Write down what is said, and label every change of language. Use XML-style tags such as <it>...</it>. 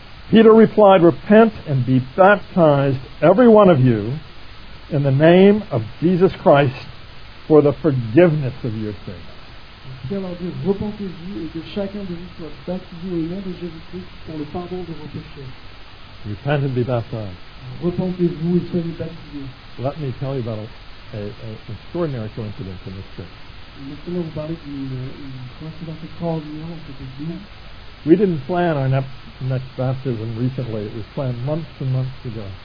<en>Peter replied, repent and be baptized, every one of you, in the name of Jesus Christ for the forgiveness of your sins.</en> <fr>Pierre leur dit, repentez-vous et que chacun de vous soit baptisé au nom de Jésus-Christ pour le pardon de vos péchés.</fr> <en>Repent and be baptized.</en> <fr>Repentez-vous et soyez baptisés.</fr> <en>Let me tell you about an extraordinary coincidence in this church.</en> <fr>Laissez-moi vous parler d'une coïncidence extraordinaire dans cette église.</fr> <en>We didn't plan our next baptism recently. It was planned months and months ago.</en>